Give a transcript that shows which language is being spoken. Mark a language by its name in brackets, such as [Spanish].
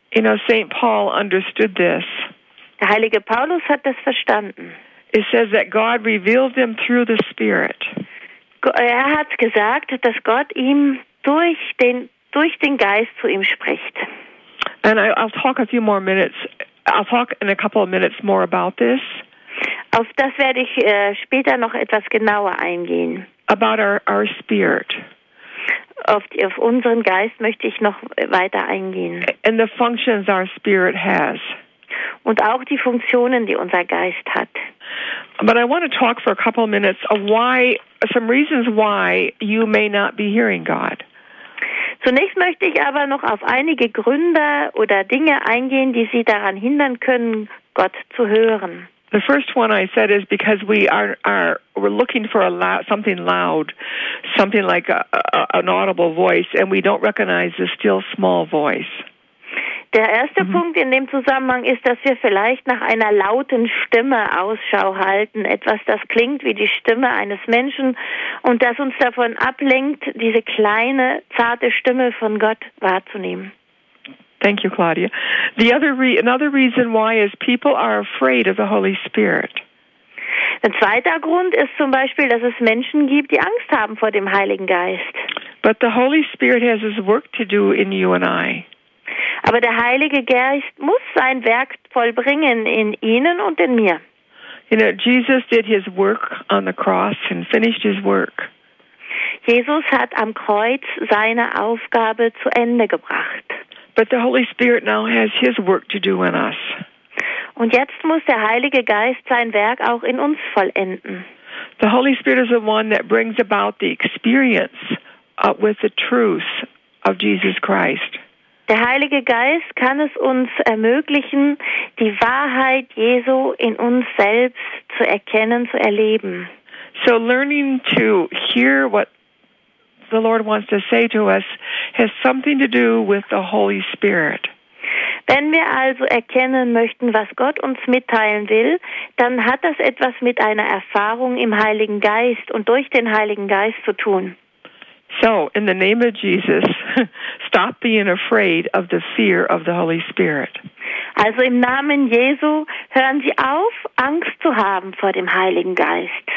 [English] You know, St. Paul understood this. [German] Der heilige Paulus hat das verstanden. [English] It says that God revealed them through the Spirit. [German] Er hat gesagt, dass Gott ihm durch den Geist zu ihm spricht. [English] And I'll talk in a couple of minutes more about this. [German] Auf das werde ich später noch etwas genauer eingehen. [English] About our spirit. [German] Auf unseren Geist möchte ich noch weiter eingehen. [English] And the functions our spirit has. [German] Und auch die Funktionen, die unser Geist hat. [English] But I want to talk for a couple of minutes of why, some reasons why you may not be hearing God. [German] Zunächst möchte ich aber noch auf einige Gründe oder Dinge eingehen, die Sie daran hindern können, Gott zu hören. [English] The first one I said is because we're looking for something loud, something like an audible voice, and we don't recognize the still small voice. [German] Der erste Punkt in dem Zusammenhang ist, dass wir vielleicht nach einer lauten Stimme Ausschau halten, etwas, das klingt wie die Stimme eines Menschen und das uns davon ablenkt, diese kleine, zarte Stimme von Gott wahrzunehmen. [English] Thank you, Claudia. Another reason why is people are afraid of the Holy Spirit. [German] Ein zweiter Grund ist zum Beispiel, dass es Menschen gibt, die Angst haben vor dem Heiligen Geist. [English] But the Holy Spirit has his work to do in you and I. [German] Aber der Heilige Geist muss sein Werk vollbringen in Ihnen und in mir. [English] You know, Jesus did his work on the cross and finished his work. [German] Jesus hat am Kreuz seine Aufgabe zu Ende gebracht. [English] But the Holy Spirit now has his work to do in us. [German] Und jetzt muss der Heilige Geist sein Werk auch in uns vollenden. [English] The Holy Spirit is the one that brings about the experience with the truth of Jesus Christ. [German] Der Heilige Geist kann es uns ermöglichen, die Wahrheit Jesu in uns selbst zu erkennen, zu erleben. [English] So learning to hear what the Lord wants to say to us has something to do with the Holy Spirit. [German] Wenn wir also erkennen möchten, was Gott uns mitteilen will, dann hat das etwas mit einer Erfahrung im Heiligen Geist und durch den Heiligen Geist zu tun. [English] So, in the name of Jesus, stop being afraid of the fear of the Holy Spirit. [German] Also im Namen Jesu, hören Sie auf, Angst zu haben vor dem Heiligen Geist.